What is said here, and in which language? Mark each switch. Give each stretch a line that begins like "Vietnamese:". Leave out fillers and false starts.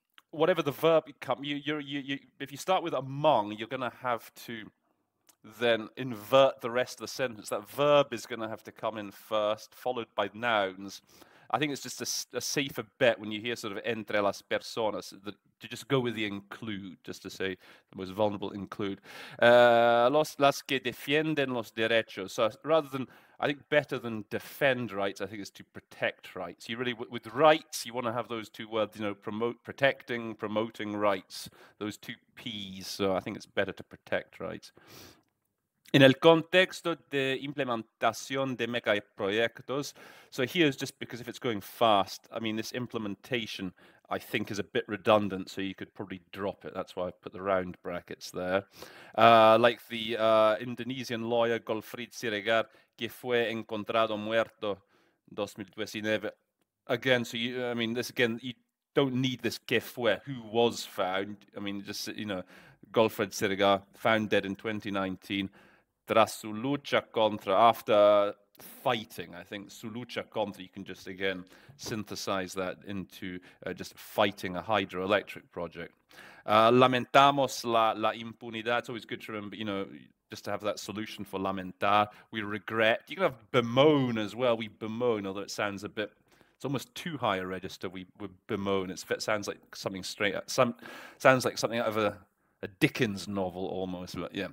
English: whatever the verb comes, you, if you start with among, you're going to have to then invert the rest of the sentence. That verb is going to have to come in first, followed by nouns. I think it's just a safer bet when you hear sort of
Spanish: entre las personas
English: to just go with the include, just to say the most vulnerable include.
Spanish: Las que defienden los derechos.
English: So rather than, I think better than defend rights, I think it's to protect rights. You really, with rights, you want to have those two words, you know, promoting rights, those two P's. So I think it's better to protect rights.
Spanish: En el contexto de implementación de mega proyectos.
English: So here's just because if it's going fast, I mean, this implementation, I think, is a bit redundant, so you could probably drop it. That's why I put the round brackets there. Like the Indonesian lawyer, Golfrid Siregar,
Spanish: que fue encontrado muerto 2019.
English: Again, so you, I mean, this again, you don't need this
Spanish: que fue,
English: who was found. I mean, just, you know, Golfrid Siregar, found dead in 2019.
Spanish: Tras su lucha contra,
English: after fighting, I think,
Spanish: su lucha contra,
English: you can just again synthesize that into just fighting a hydroelectric project.
Spanish: Lamentamos la impunidad.
English: It's always good to remember, you know, just to have that solution for lamentar. We regret. You can have bemoan as well. We bemoan, although it sounds a bit, it's almost too high a register. We bemoan. It sounds like something straight, sounds like something out of a Dickens novel almost, but yeah.